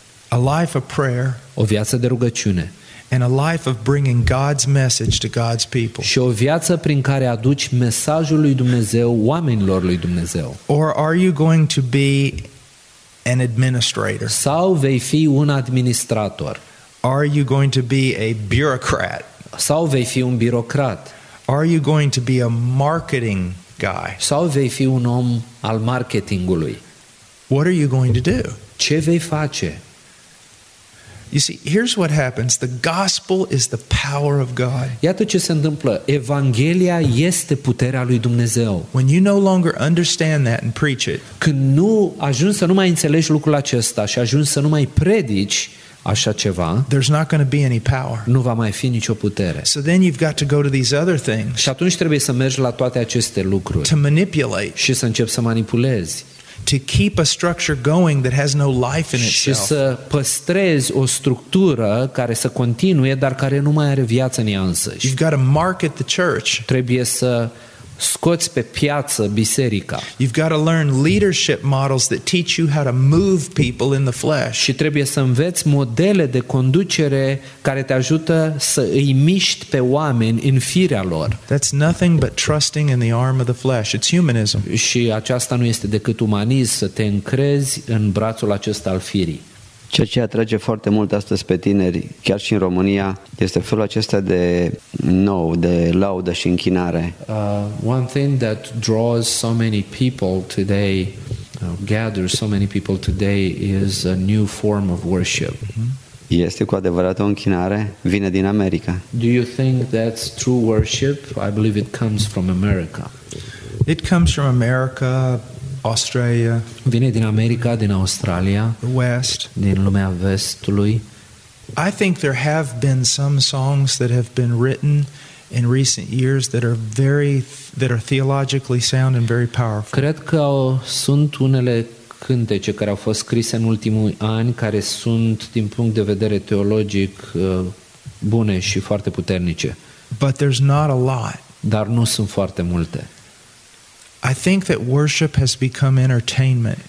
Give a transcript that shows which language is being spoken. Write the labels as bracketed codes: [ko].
[en] A life of prayer. [ro] O viață de rugăciune. [en] And a life of bringing God's message to God's people. [ro] Și o viață prin care aduci mesajul lui Dumnezeu oamenilor lui Dumnezeu. [en] Or are you going to be an administrator? [ro] Sau vei fi un administrator? [en] Are you going to be a bureaucrat? [ro] Sau vei fi un birocrat? [en] Are you going to be a marketing guy? [ro] Sau vei fi un om al marketingului? [en] What are you going to do? [ro] Ce vei face? [en] You see, here's what happens. The gospel is the power of God. [ro] Iată ce se întâmplă. Evanghelia este puterea lui Dumnezeu. [en] When you no longer understand that and preach it. [ro] Când nu ajungi să nu mai înțelegi lucrul acesta și ajungi să nu mai predici așa ceva, [en] there's not going to be any power. [ro] Nu va mai fi nicio putere. [en] So then you've got to go to these other things. [ro] Și atunci trebuie să mergi la toate aceste lucruri. [en] To manipulate. [ro] Și să începi să manipulezi. [en] To keep a structure going that has no life in itself. [ro] Și să păstrezi o structură care să continue, dar care nu mai are viață în ea însăși. [en] You've got to market the church. [ro] Trebuie să scoți pe piață biserica. [en] You've got to learn leadership models that teach you how to move people in the flesh. [ro] Și trebuie să înveți modele de conducere care te ajută să îi miști pe oameni în firea lor. [en] That's nothing but trusting in the arm of the flesh. It's humanism. [ro] Și aceasta nu este decât umanism, să te încrezi în brațul acesta al firii. Ceea ce atrage foarte mult astăzi pe tineri, chiar și în România, este felul acesta de nou, de laudă și închinare. [en] One thing that draws so many people today, gathers so many people today, is a new form of worship. [ro] Este cu adevărat o închinare? Vine din America. [en] Do you think that's true worship? I believe it comes from America. It comes from America. Australia. [ro] Vine din America, din Australia. [en] The West. [ro] Din lumea vestului. [en] I think there have been some songs that have been written in recent years that are theologically sound and very powerful. [ro] Cred că sunt unele cântece care au fost scrise în ultimii ani care sunt din punct de vedere teologic bune și foarte puternice. [en] But there's not a lot. [ro] Dar nu sunt foarte multe. [en] I think that worship has become entertainment.